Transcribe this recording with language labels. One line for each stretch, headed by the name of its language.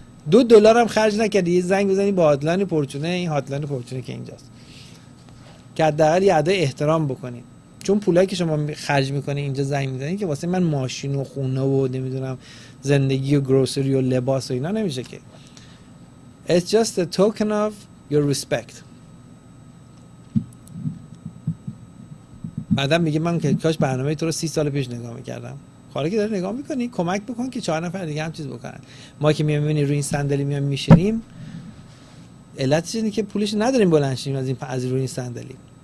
Persian: $2 هم خرج نکردی، یه زنگ بزنی با هاتلاین پرچونه، این هاتلاین پرچونه که اینجاست، که حداقل یه ادای احترام بکنید. چون پولایی که شما خرج میکنی اینجا زنگ میزنی که واسه من ماشین و خونه و نمیدونم زندگی و گروسری و لباس و اینا نمیشه که.
English: It's just a token of your respect.
Persian: بعدم میگه من که کاش برنامه تو رو 30 سال پیش نگاه میکردم. خاله که داره نگاه میکنی، کمک بکن که 4 نفر دیگه هم چیز بکنن. ما که میام میبینی روی این صندلی میام میشینیم، علتش اینه که پولش نداریم بلند شیم از این از روی این صندلی.